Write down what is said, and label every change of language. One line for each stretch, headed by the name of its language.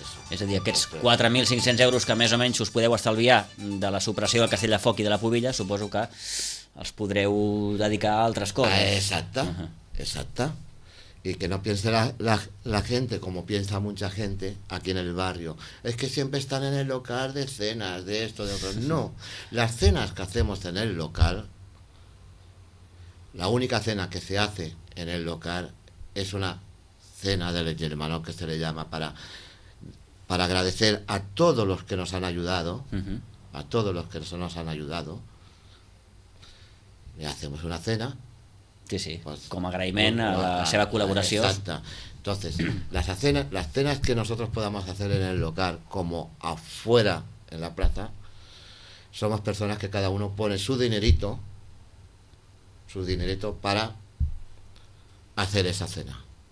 Catalan: És a dir, aquests 4.500 euros que més o menys us podeu estalviar de la supressió del Castell de Foc i de la Pubilla, suposo que els podreu dedicar a altres coses. Exacte. Uh-huh. Exacta.
Spanish: Y que no piense la gente como piensa mucha gente aquí en el barrio. Es que siempre están en el local de cenas, de esto, de otro. No. Las cenas que hacemos en el local, la única cena que se hace en el local es una cena del hermano, que se le llama, para agradecer a todos los que nos han ayudado. Uh-huh. A todos los que nos han ayudado. Y hacemos una cena.
Catalan: Sí, pues, com agraïment a la seva col·laboració. Exacte.
Spanish: Entonces, las cenas que nosotros podamos hacer en el local, como afuera, en la plaza, somos personas que cada uno pone su dinerito para hacer esa cena.